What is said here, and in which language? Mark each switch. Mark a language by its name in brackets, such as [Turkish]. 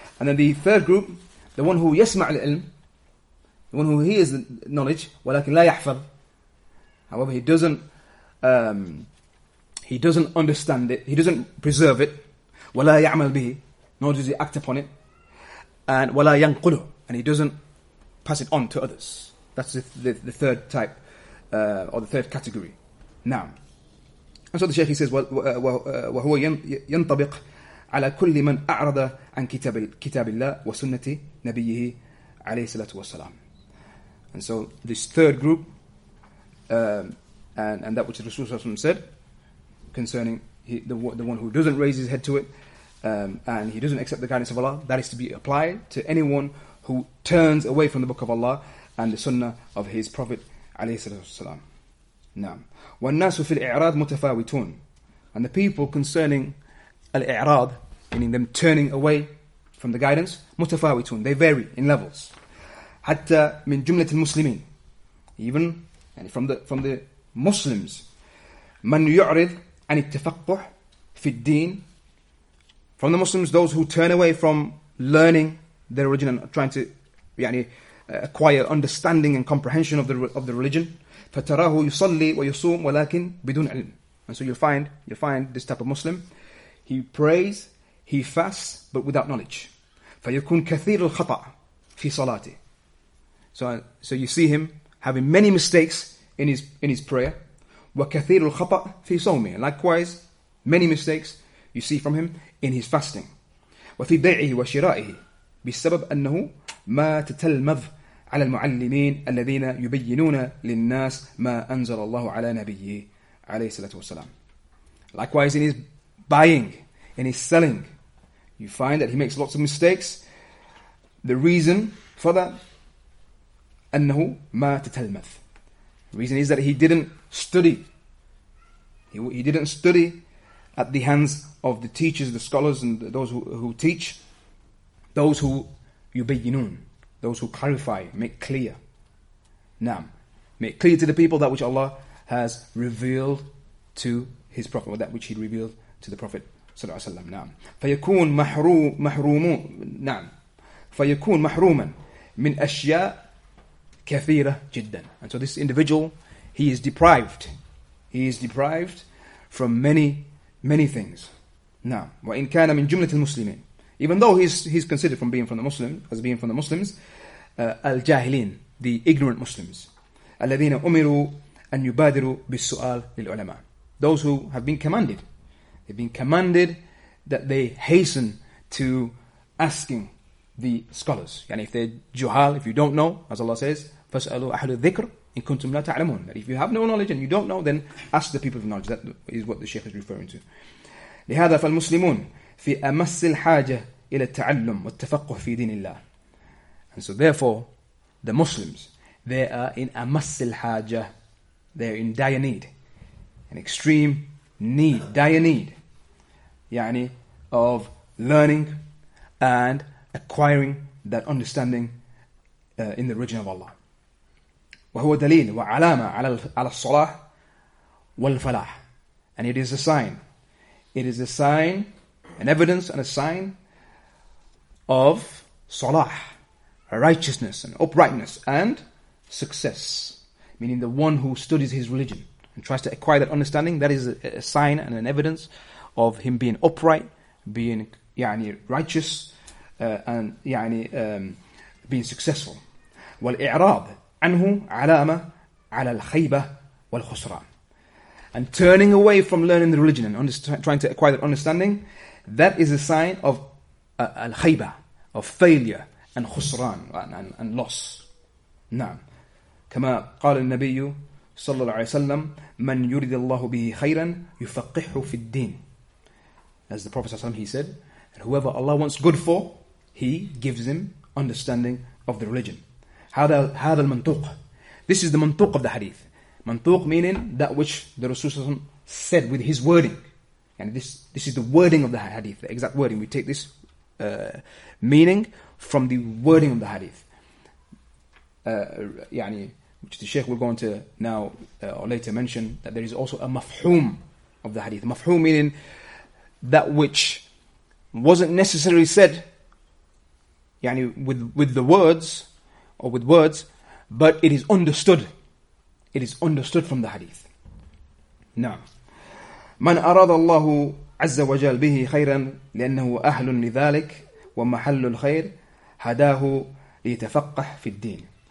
[English] And then the third group, the one who [Arabic] يسمع العلم, [English] the one who hears the knowledge, [Arabic] ولكن لا يحفظ, [English] however he doesn't understand it, he doesn't preserve it, [Arabic] ولا يعمل به, [English] nor does he act upon it, and [Arabic] ولا ينقله, [English] and he doesn't pass it on to others. That's the third type, or the third category. Now, and so the Shaykh, he says, [Arabic] وهو ينطبق على كل من أعرض عن كتاب الله وسنة نبيه عليه الصلاة والسلام. [English] And so this third group, and that which the Rasul ﷺ said concerning the one who doesn't raise his head to it, and he doesn't accept the guidance of Allah, that is to be applied to anyone who turns away from the Book of Allah and the Sunnah of his Prophet [Arabic] عليه الصلاة والسلام. نعم. والناس في الإعراض متفاوتون. [English] And the people concerning الإعراض, meaning them turning away from the guidance, متفاوتون, they vary in levels. [Arabic] حتى من جملة المسلمين, [English] even يعني from the Muslims, [Arabic] من يعرض عن التفقه في الدين, [English] from the Muslims, those who turn away from learning their religion and trying to يعني acquire understanding and comprehension of the religion, [Arabic] فتراه يصلي ويصوم ولكن بدون علم. [English] And so you'll find this type of Muslim, he prays, he fasts, but without knowledge. [Arabic] فيكون كثير الخطأ في صلاته. [English] So you see him having many mistakes in his prayer. [Arabic] وَكَثِيرُ الْخَطَأْ فِي صَوْمِهِ. [English] And likewise, many mistakes you see from him in his fasting. [Arabic] وَفِي بَيْعِهِ وَشِرَائِهِ بِسَبَبْ أَنَّهُ مَا تَتَلْمَذْ عَلَى الْمُعَلِّمِينَ الَّذِينَ يُبَيِّنُونَ لِلنَّاسِ مَا أَنزَلَ اللَّهُ عَلَى نَبِيِّهِ عَلَيْهِ سَلَّةُ وَالسَّلَامِ. [English] Likewise, in his buying, in his selling, you find that he makes lots of mistakes. The reason for that, [Arabic] أنه ما تتلمذ. [English] The reason is that he didn't study. He didn't study at the hands of the teachers, the scholars, and those who teach. Those who يبينون. Those who clarify, make clear. نعم. Make clear to the people that which Allah has revealed to his Prophet, or that which he revealed to the Prophet [Arabic] صلى الله عليه وسلم. نعم. فيكون محروم محروم نعم. فيكون محروما من أشياء كثيرة جدا. [English] And so this individual, he is deprived. He is deprived from many, many things. نعم. [Arabic] وإن كان من جملة المسلمين. [English] Even though he's considered from being from the Muslim as being from the Muslims, الجاهلين, the ignorant Muslims, [Arabic] الذين أمروا أن يبادروا بالسؤال للعلماء. [English] Those who have been commanded, they've been commanded that they hasten to asking the scholars. And if they're juhal, if you don't know, as Allah says, [Arabic] فَاسْأَلُوا أَحْلُ الذِّكْرِ إِن كُنْتُمْ لَا تَعْلَمُونَ. [English] That if you have no knowledge and you don't know, then ask the people of knowledge. That is what the Shaykh is referring to. [Arabic] لِهَذَا فَالْمُسْلِمُونَ في أمس الحاجة إلى التعلم والتفقه في دين الله. [English] And so therefore, the Muslims, they are in [Arabic] أمس الحاجة. [English] They are in dire need. An extreme need, dire need. يعني of learning and acquiring that understanding in the religion of Allah. [Arabic] وهو دليل وعلامة على الصلاح والفلاح. [English] And it is a sign. It is a sign, an evidence and a sign of salah, righteousness and uprightness and success. Meaning the one who studies his religion and tries to acquire that understanding, that is a sign and an evidence of him being upright, being يعني righteous and يعني being successful. [Arabic] والإعراض عنه علامة على الخيبة والخسران. [English] And turning away from learning the religion and trying to acquire that understanding, that is a sign of al-khayba, of failure and khusran and loss. [Arabic] نعم. كما قال النبي صلى الله عليه وسلم من يريد الله به خيرا يفقهه في الدين. [English] As the Prophet [Arabic] صلى الله عليه وسلم, [English] he said, whoever Allah wants good for, he gives him understanding of the religion. [Arabic] هذا المنطوق. [English] This is the منطوق of the hadith. منطوق meaning that which the Rasul [Arabic] صلى الله عليه وسلم [English] said with his wording. And this is the wording of the hadith, the exact wording. We take this meaning from the wording of the hadith. يعني, which the Shaykh will go on to now or later mention, that there is also a mafhum of the hadith. Mafhum meaning that which wasn't necessarily said يعني with words, but it is understood. It is understood from the hadith. [Arabic] Now, من أراد الله عز وجل به خيرا لأنه أهل لذلك ومحل الخير هداه ليتفقه في الدين.